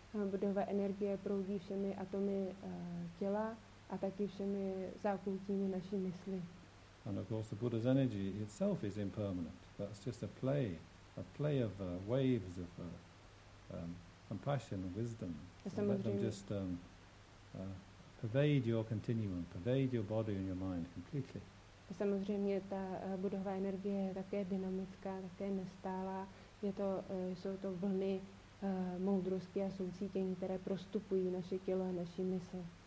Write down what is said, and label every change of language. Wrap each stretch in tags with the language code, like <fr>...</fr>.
<cs>Buddhova energie proudí všemi atomy těla a taky všemi zákoutími naší mysli.</cs> <en>And of course the Buddha's energy itself is impermanent. That's just a play of waves of compassion and wisdom. So let them just pervade your continuum, pervade your body and your mind completely.</en> <cs>A samozřejmě ta Buddhova energie je také dynamická, také nestálá. Jsou to vlny moudrosti a soucítění, které prostupují naše tělo a naši mysl.</cs>